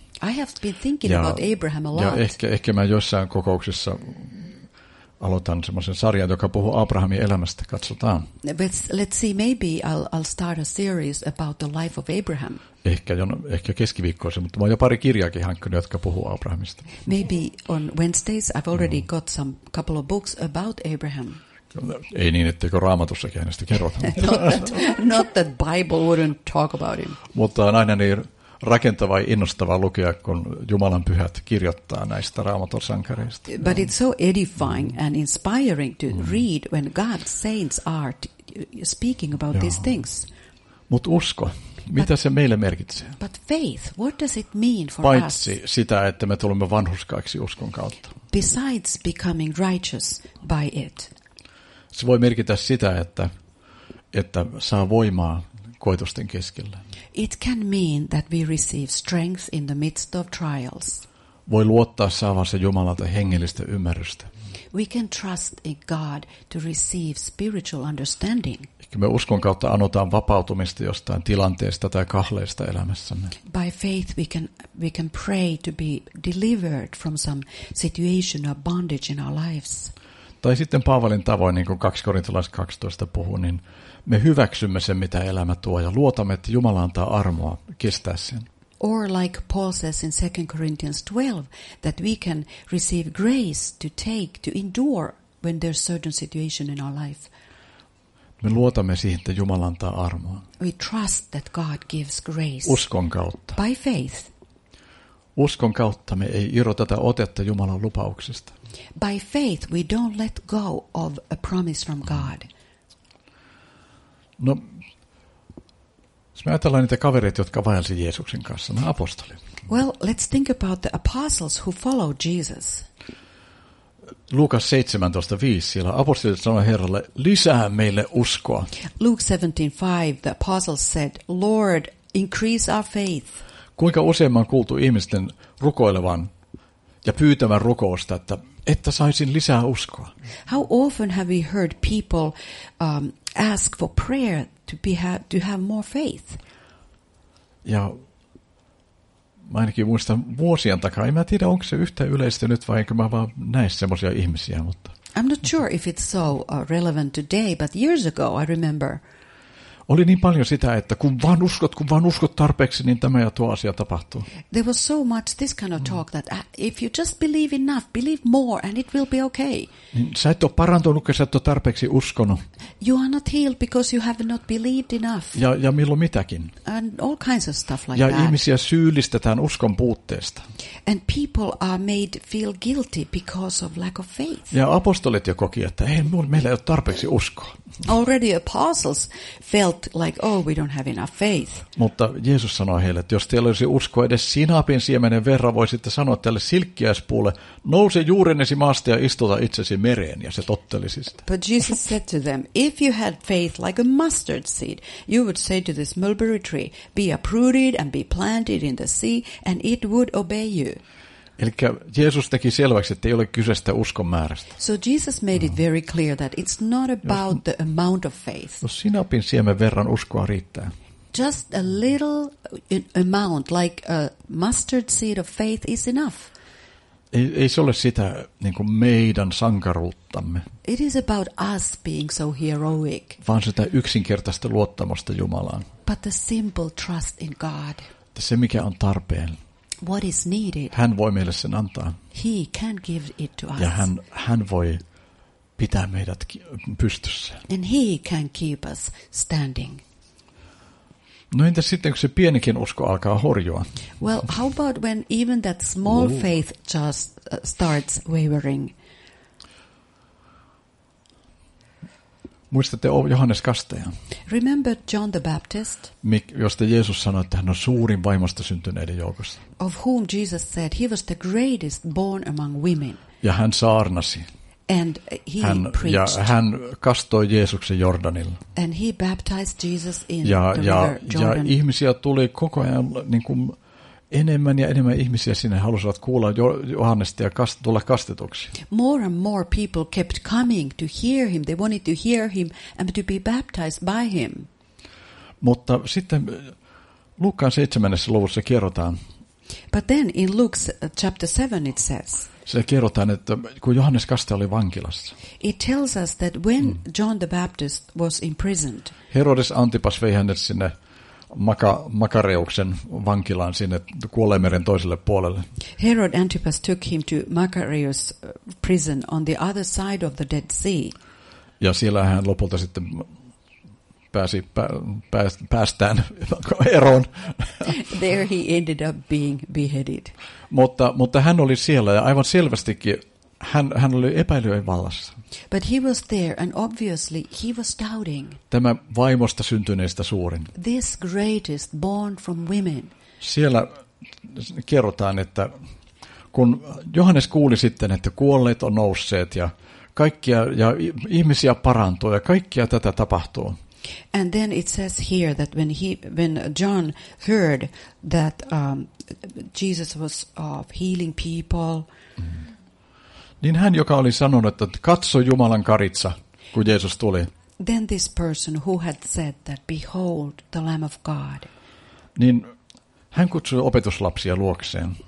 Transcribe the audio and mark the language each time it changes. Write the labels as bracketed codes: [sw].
[en] I have been thinking about Abraham a lot. [fi] Ja ehkä mä jossain kokouksessa aloitan semmoisen sarjan, joka puhuu Abrahamin elämästä. Katsotaan. [en] Let's see, maybe I'll start a series about the life of Abraham. [fi] Ehkä keskiviikkoisin, mutta mä oon jo pari kirjaakin hankkinut, jotka puhuu Abrahamista. [en] Maybe on Wednesdays I've already got some couple of books about Abraham. [fi] Ei niin, etteikö Raamatussakin hänestä kerrota. [en] not that Bible wouldn't talk about him. [fi] Mutta on aina niin rakentava ja innostava lukea, kun Jumalan pyhät kirjoittaa näistä Raamatun sankareista. [en] But it's so edifying and inspiring to read when God's saints are speaking about these things. [fi] Mut usko, mitä se meille merkitsee? [en] But faith, what does it mean for [fi] Paitsi [en] us? [fi] Paitsi sitä, että me tulemme vanhurskaiksi uskon kautta. [en] Besides becoming righteous by it. [fi] Se voi merkitä sitä, että saa voimaa koitusten keskellä. [en] It can mean that we receive strength in the midst of trials. [fi] Voi luottaa saavansa Jumalalta hengellistä ymmärrystä. [en] We can trust in God to receive spiritual understanding. [fi] Ehkä me uskon kautta anotaan vapautumista jostain tilanteesta tai kahleista elämässämme. [en] By faith we can pray to be delivered from some situation or bondage in our lives. [fi] Tai sitten Paavalin tavoin, niin kuin 2 Korintolais 12 puhuu, niin me hyväksymme sen, mitä elämä tuo, ja luotamme, että Jumala antaa armoa kestää sen. [en] Or like Paul says in 2 Corinthians 12, that we can receive grace to take, to endure when there's certain situation in our life. [fi] Me luotamme siihen, että Jumala antaa armoa. [en] We trust that God gives grace. [fi] Uskon kautta. [en] By faith. [fi] Uskon kautta me ei irroteta otetta Jumalan lupauksesta. [en] By faith we don't let go of a promise from God. [fi] No, jos me ajatellaan niitä kavereita, jotka vaelsi Jeesuksen kanssa, nämä apostolit. [en] Well, let's think about the apostles who followed Jesus. [fi] Luukas 17:5, siellä apostolit sanoi Herralle, lisää meille uskoa. [en] Luke 17:5, the apostles said, Lord, increase our faith. [fi] Kuinka usein on kuultu ihmisten rukoilevan ja pyytävän rukousta, että saisin lisää uskoa. [en] How often have we heard people ask for prayer to have more faith? [fi] Ja mä ainakin muistan vuosien takaa, en mä tiedä onko se yhtä yleistä nyt vai enkö mä vaan näe semmoisia ihmisiä, mutta [en] I'm not sure if it's so relevant today, but years ago I remember. [fi] Oli niin paljon sitä, että kun vaan uskot tarpeeksi, niin tämä ja tuo asia tapahtuu. [en] There was so much this kind of talk that if you just believe enough, believe more and it will be okay. [fi] Niin, sä et ole parantunut, kun sä et ole tarpeeksi uskonut. [en] You are not healed because you have not believed enough. [fi] Ja milloin mitäkin. [en] And all kinds of stuff like [fi] ja [en] that. [fi] Ja ihmisiä syyllistetään uskon puutteesta. [en] And people are made feel guilty because of lack of faith. [fi] Ja apostolit jo koki, että ei, meillä ei ole tarpeeksi uskoa. [en] Already apostles felt like, oh, we don't have enough faith. [fi] Mutta Jeesus sanoi heille, että jos teillä olisi uskoa edes sinapin siemenen verran, voisitte sanoa tälle silkkiäispuulle, nouse juurenesi maasta ja istuta itsesi mereen, ja se tottelisi sitä. [en] But Jesus said to them, if you had faith like a mustard seed, you would say to this mulberry tree, be uprooted and be planted in the sea, and it would obey you. [fi] Eli Jeesus teki selväksi, että ei ole kyseistä uskon määrästä. [en] So Jesus made it very clear that it's not about the amount of faith. [fi] Jos sinapin siemen verran uskoa riittää. [en] Just a little amount, like a mustard seed of faith is enough. [fi] Ei se ole sitä niin kuin meidän sankaruuttamme. [en] It is about us being so heroic. [fi] Vaan sitä yksinkertaista luottamusta Jumalaan. [en] But the simple trust in God. [fi] Se mikä on tarpeen. [en] What is needed? [fi] Hän voi meille sen antaa. [en] He can give it to us. [fi] Ja hän voi pitää meidät pystyssä. [en] And he can keep us standing. [fi] No entäs sitten, kun se pienikin usko alkaa horjua? [en] Well, how about when even that small faith just starts wavering? [fi] Muistatte Johannes Kastajan. [en] Remember John the Baptist? [fi] Josta Jeesus sanoi, että hän on suurin vaimosta syntyneiden joukossa. [en] Of whom Jesus said he was the greatest born among women. [fi] Ja hän saarnasi. [en] And he [fi] hän, [en] preached. [fi] Ja hän kastoi Jeesuksen Jordanilla. [en] And he baptized Jesus in [fi] ja, [en] the [fi] ja, [en] river Jordan. [fi] Ja ihmisiä tuli koko ajan niin kuin enemmän ja enemmän ihmisiä sinne halusivat kuulla Johannesta ja tulla kastetuksi. [en] More and more people kept coming to hear him. They wanted to hear him and to be baptized by him. [fi] Mutta sitten Luukkaan 7. luvussa kerrotaan. [en] But then in Luke's chapter 7 it says. [fi] Se kerrotaan, että kun Johannes Kaste oli vankilassa. [en] It tells us that when John the Baptist was imprisoned. [fi] Herodes Antipas vei hänet sinne Makareuksen vankilaan sinne Kuolleenmeren toiselle puolelle. [en] Herod Antipas took him to Makareus prison on the other side of the Dead Sea. [fi] Ja siellä hän lopulta sitten pääsi päästään eroon. [en] There he ended up being beheaded. [fi] Mutta hän oli siellä ja aivan selvästikin hän oli epäilyjen vallassa. [en] But he was there and obviously he was doubting. [fi] Tämä vaimosta syntyneestä suurin. [en] This greatest born from women. [fi] Siellä kerrotaan, että kun Johannes kuuli sitten, että kuolleet on nousseet ja kaikkia ja ihmisiä parantuu ja kaikkia tätä tapahtuu. [en] And then it says here that when John heard that Jesus was healing people, [fi] niin hän, joka oli sanonut, että katso Jumalan karitsa, kun Jeesus tuli. [en] Then this person who had said that behold the Lamb of God. [fi] Niin hän kutsui opetuslapsia luokseen.